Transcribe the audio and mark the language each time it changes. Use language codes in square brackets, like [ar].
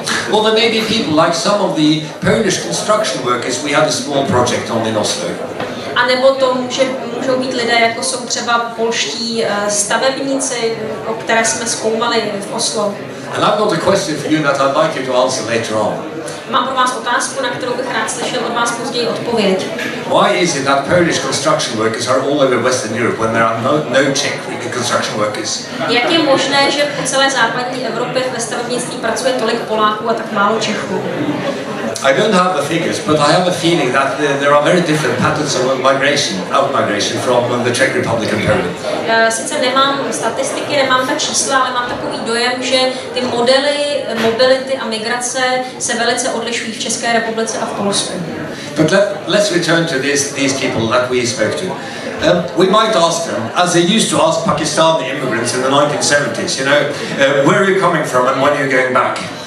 [en] Or there may be people like some of the Polish construction workers we had a small project on in Oslo. [cs] A nebo to může můžou být lidé, jako jsou třeba polští stavebníci, o které jsme zkoumali v Oslo. [en] And I've got a question for you that I'd like you to answer later on. [cs] Mám pro vás otázku, na kterou bych rád slyšel od vás později odpověď. [en] Why is it that Polish construction workers are all over Western Europe when there are no Czech construction workers? [cs] Jak je možné, že po celé západní Evropě ve stavebnictví pracuje tolik Poláků a tak málo Čechů? [en] I don't have the figures, but I have a feeling that there are very different patterns of migration, out-migration from the Czech Republic and Poland. [cs] Sice nemám statistiky, nemám ta čísla, ale mám takový dojem, že ty modely mobility a migrace se velice odlišují v České republice a v Polsku. [en] But let's return to these people that we spoke to. We might ask them, as they used to ask Pakistani immigrants in the 1970s, you know, where are you coming from and when are you going back?